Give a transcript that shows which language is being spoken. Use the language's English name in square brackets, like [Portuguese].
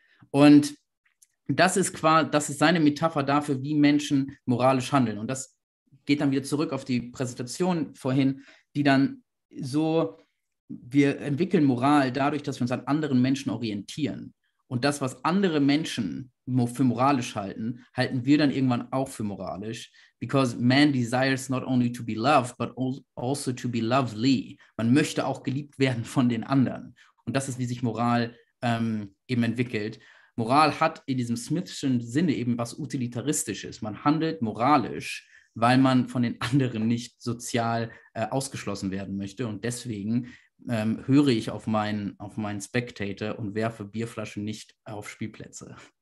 [German] Und das ist seine Metapher dafür, wie Menschen moralisch handeln. Und das geht dann wieder zurück auf die Präsentation vorhin, die dann so, wir entwickeln Moral dadurch, dass wir uns an anderen Menschen orientieren. Und das, was andere Menschen für moralisch halten, halten wir dann irgendwann auch für moralisch. [English] Because man desires not only to be loved, but also to be lovely. [German] Man möchte auch geliebt werden von den anderen. Und das ist, wie sich Moral eben entwickelt. Moral hat in diesem Smithschen Sinne eben was Utilitaristisches. Man handelt moralisch, weil man von den anderen nicht sozial ausgeschlossen werden möchte. Und deswegen höre ich auf meinen Spectator und werfe Bierflaschen nicht auf Spielplätze.